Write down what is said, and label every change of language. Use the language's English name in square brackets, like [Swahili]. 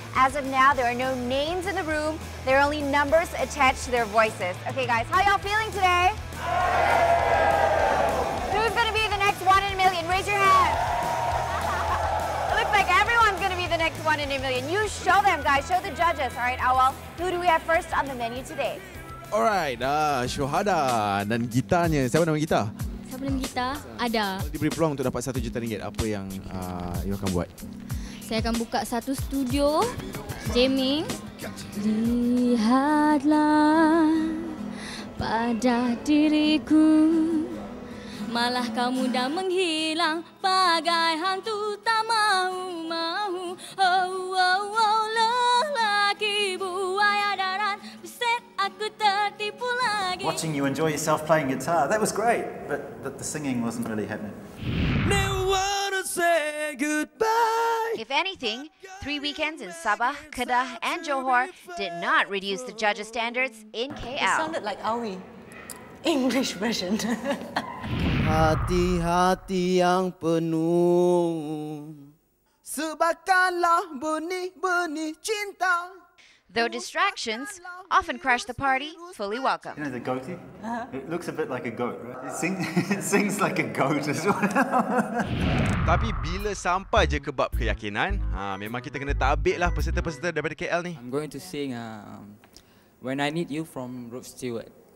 [English] As of now, there are no names in the room. There are only numbers attached to their voices. Okay, guys, how y'all feeling today? Who's gonna be the next one in a million? Raise your hand. Looks like everyone's gonna be the next one in a million. You show them, guys. Show the judges. All right, Awal, who do we have first on the menu today? All right, [Malay] Syuhada dan gitarnya. Siapa nama gitar? Siapa nama gitar? Ada. Kalau diberi peluang untuk dapat RM1 juta, apa yang you akan buat? Saya akan buka satu studio, jamming. Lihatlah pada diriku, malah kamu dah menghilang bagai hantu tak mahu mahu. Oh oh oh, lelaki buaya darat, beset aku tertipu lagi. [English] Watching you enjoy yourself playing guitar, that was great, but the singing wasn't really happening. Goodbye. If anything, 3 weekends in Sabah, Kedah and Johor did not reduce the judges' standards in KL. It sounded like Awi. English version. [Malay] Hati-hati yang penuh, sebarkanlah benih-benih cinta. [English] Though distractions often crash the party, fully welcome. You know the goatee? Uh-huh. It looks a bit like a goat, right? It sings like a goat as well. [Malay] Tapi bila sampai je ke bab keyakinan, memang kita kena tabik lah peserta-peserta daripada KL ni. [English] I'm going to sing When I Need You from Ruth Stewart.